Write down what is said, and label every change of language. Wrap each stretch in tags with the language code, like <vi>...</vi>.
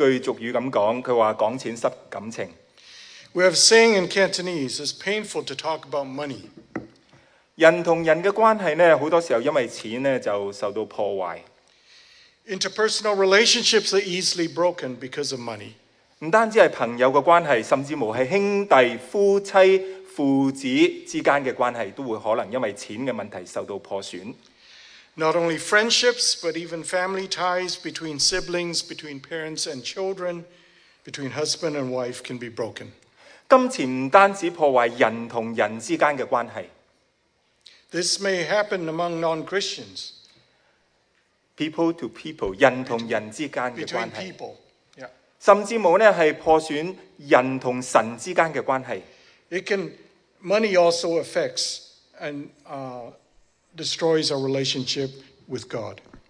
<yue>廣東話有句俗語咁講，佢話講錢濕感情。</yue> <en>We have a saying in Cantonese, it's painful to talk about money.</en> <yue>人同人嘅關係呢，好多時候因為錢呢就受到破壞。</yue> <en>Interpersonal relationships are easily broken because of money.</en> <yue>唔單止係朋友嘅關係，甚至無係兄弟、夫妻、父子之間嘅關係，都會可能因為錢嘅問題受到破損。</yue> <en>Not only friendships, but even family ties between siblings, between parents and children, between husband and wife can be broken.</en> <yue>金錢不單止破壞人同人之間嘅關係。</yue> <en>This may happen among non-Christians. People to people,</en> <yue>人同人之間嘅關係。</yue> <en>Between people, yeah.</en> <yue>甚至冇呢係破損人同神之間嘅關係。</yue> <en>It can, money also affects and destroys our relationship with God.</en>